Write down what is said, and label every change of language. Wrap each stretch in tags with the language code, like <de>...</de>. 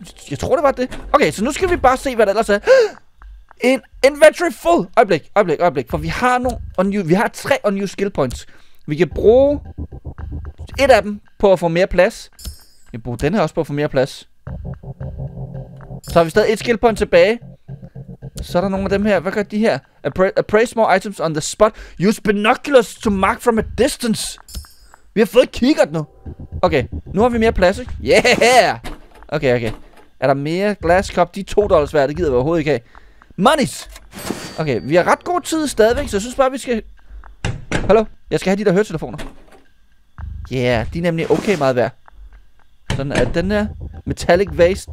<da>Jeg tror, det var det. Okay, så nu skal vi bare se, hvad der ellers er. En inventory full. Øjeblik. For vi har nogle tre unused skill points. Vi kan bruge et af dem på at få mere plads. Vi kan bruge den her også på at få mere plads. Så har vi stadig et skill point tilbage. Så er der nogle af dem her. Hvad gør de her?</da> <en>Appraise more items on the spot. Use binoculars to mark from a distance.</en> <da>Vi har fået kikkert nu. Okay, nu har vi mere plads, ikke? Yeah! Okay. Er der mere glass cup? De er $2 værd, det gider vi overhovedet ikke have. Monies! Okay, vi har ret god tid stadigvæk, så jeg synes bare, vi skal... Hallo? Jeg skal have de der høretelefoner. Yeah, de er nemlig okay meget værd. Sådan er den der metallic vase.</da>